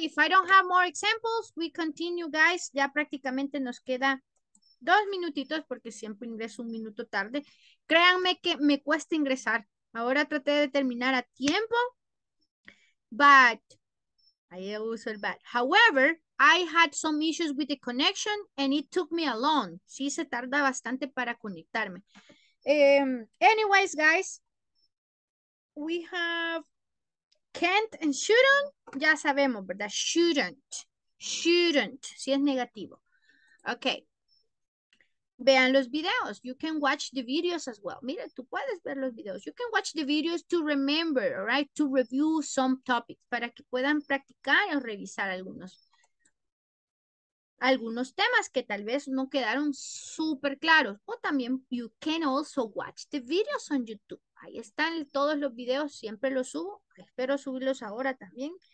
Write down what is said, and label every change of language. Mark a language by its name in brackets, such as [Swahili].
[English] If I don't have more examples, we continue, guys. [Spanish] Ya prácticamente nos queda 2 minutitos porque siempre ingreso 1 minuto tarde. Créanme que me cuesta ingresar. Ahora traté de terminar a tiempo. But, ahí uso el but. [English] However, I had some issues with the connection and it took me a long. [Spanish] Sí, se tarda bastante para conectarme. [English] Anyways, guys, we have can't and shouldn't. [Spanish] Ya sabemos, ¿verdad? Shouldn't, si es negativo. Okay. Vean los videos. [English] You can watch the videos as well. [Spanish] Mira, tú puedes ver los videos. [English] You can watch the videos to remember, all right? To review some topics [Spanish] para que puedan practicar o revisar algunos temas que tal vez no quedaron súper claros. O también, [English] you can also watch the videos on YouTube. [Spanish] Ahí están todos los videos. Siempre los subo. Espero subirlos ahora también.